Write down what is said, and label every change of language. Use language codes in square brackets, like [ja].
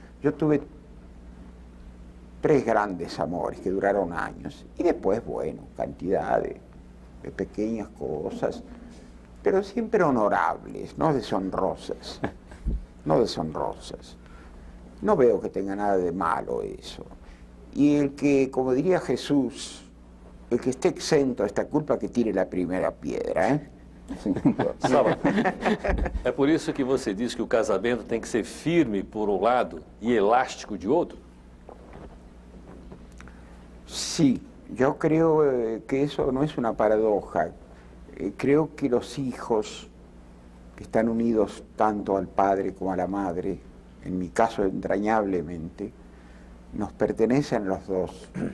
[es] Yo tuve 3 grandes amores que duraron años y después, bueno, cantidad de pequeñas cosas, pero siempre honorables, no deshonrosas, no deshonrosas. No veo que tenga nada de malo eso. Y el que, como diría Jesús, el que esté exento de esta culpa, que tire la primera piedra, ¿eh? [pt] Sábado, ¿es por eso que você diz que o casamento tem que ser firme por um lado e elástico de outro? [es] Sí, yo creo que eso no es una paradoja. Creo que los hijos que están unidos tanto al padre como a la madre, en mi caso entrañablemente, nos pertenecen los dos.